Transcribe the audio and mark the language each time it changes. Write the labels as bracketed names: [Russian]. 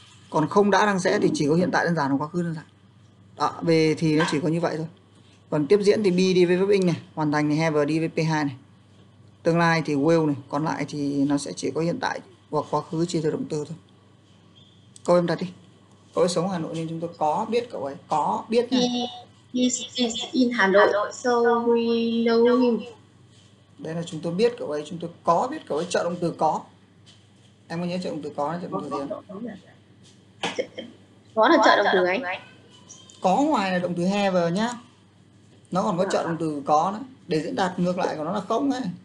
[Vietnamese] Còn không đã, đang, sẽ thì chỉ có hiện tại đơn giản hoặc quá khứ đơn giản. Đó, về thì nó chỉ có như vậy thôi. Còn tiếp diễn thì be đi với verb in này, hoàn thành thì have đi với P2 này. Tương lai thì will này, còn lại thì nó sẽ chỉ có hiện tại hoặc quá khứ chia theo động từ thôi. Câu em đặt đi. Cậu ấy sống ở Hà Nội nên chúng tôi có biết cậu ấy, có biết nha. [English] He's in Hà Nội, so we know him. [Vietnamese] Đây là chúng tôi biết cậu ấy, chúng tôi có biết cậu ấy, trợ động từ có. Em có nhớ trợ động từ có là trợ động từ gì không? Đó là chợ động từ ấy. Có ngoài là động từ have nhá. Nó còn có trợ động từ có nữa. Để diễn đạt ngược lại của nó là không ấy.